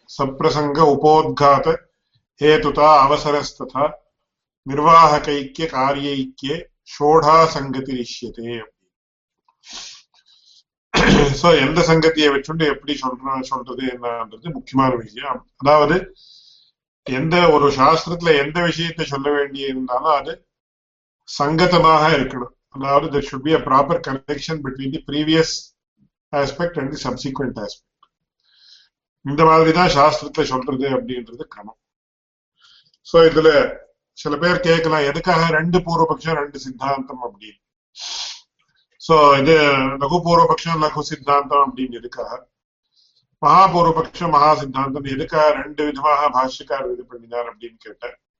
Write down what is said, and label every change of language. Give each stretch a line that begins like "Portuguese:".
Sanskrit: சப்பிரசங்க உபோத்காத ஹேதுதா அவசரஸ்ததா நிர்வாக கைக்கிய காரிய ஐக்கிய ஷோடா சங்கத்தி நிஷ்யதே
Tamil: அப்படின்னு. சோ எந்த சங்கத்தியை வச்சுட்டு எப்படி சொல்றது என்னன்றது முக்கியமான விஷயம். அதாவது எந்த ஒரு சாஸ்திரத்துல எந்த விஷயத்த சொல்ல வேண்டியிருந்தாலும் அது சங்கதமாக இருக்கணும்.
English: Now, there should be a proper connection between the previous aspect and the subsequent aspect.
Tamil: இந்த மாதிரிதான் சாஸ்திரத்துல சொல்றது அப்படின்றது கிரமம். சோ இதுல சில பேர் கேட்கலாம், எதுக்காக ரெண்டு பூர்வபக்ஷம் ரெண்டு சித்தாந்தம் அப்படின்னு. சோ இது லகு பூர்வபக்ஷம் லகு சித்தாந்தம் அப்படின்னு எதுக்காக, மகா பூர்வபக்ஷம் மகா சித்தாந்தம் எதுக்காக ரெண்டு விதமாக பாஷ்யக்காரர் இது பண்ணினார் அப்படின்னு கேட்டேன்.